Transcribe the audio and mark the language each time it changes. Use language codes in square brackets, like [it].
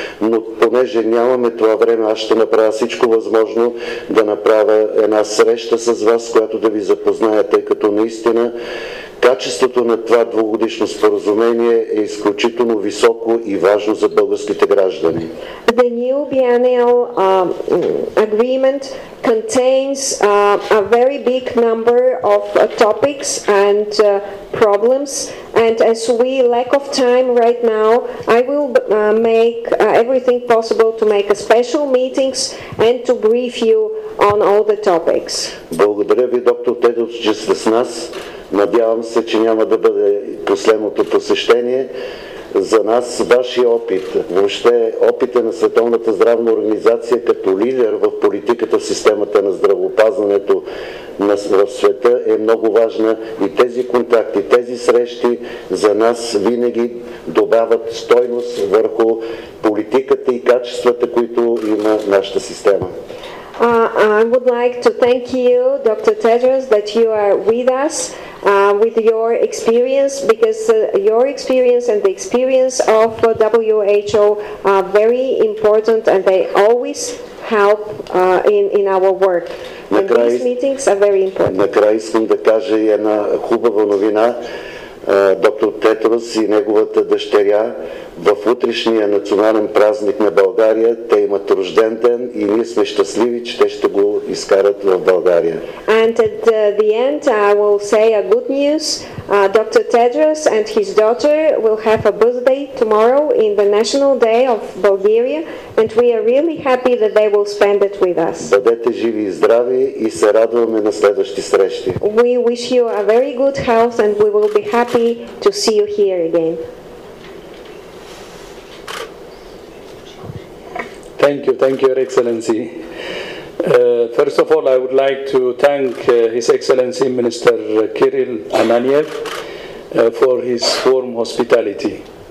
[bg] но понеже нямаме това време, аз ще направя всичко възможно да направя една среща с вас, която да ви запозная, тъй като наистина качеството на това двугодишно споразумение е изключително високо и важно за българските граждани. [en] The new biennial agreement contains a very big number of topics and problems, and as we lack of time right now, I will make everything possible to make a special meetings and to brief you on all the topics. [bg] Благодаря ви, доктор Тедов, че сте с нас. Надявам се, че няма да бъде последното посещение. за нас вашия опит, въобще опита на Световната здравна организация като лидер в политиката в системата на здравеопазването в света е много важна и тези контакти, тези срещи за нас винаги добавят стойност върху политиката и качествата, които има нашата система. [en] I would like to thank you, Dr. Tedros, that you are with us with your experience, because your experience and the experience of WHO are very important and they always help in our work. [bg] Накрай, [en] and these meetings are very important. [bg] Накрай искам да кажа и една хубава новина. Доктор Тетрос и неговата дъщеря в утрешния национален празник на България, те имат рожден ден и ние сме щастливи, че те ще го изкарат в България. [en] And at the end I will say a good news. Dr. Tedros and his daughter will have a birthday tomorrow in the National Day of Bulgaria and we are really happy that they will spend it with us. [bg] Бъдете живи и здрави и се радваме на следващи срещи. [en] We wish you a very good health and we will be happy to see you here again. Thank you, Your Excellency. First of all, I would like to thank His Excellency Minister Kirill Ananiev for his warm hospitality.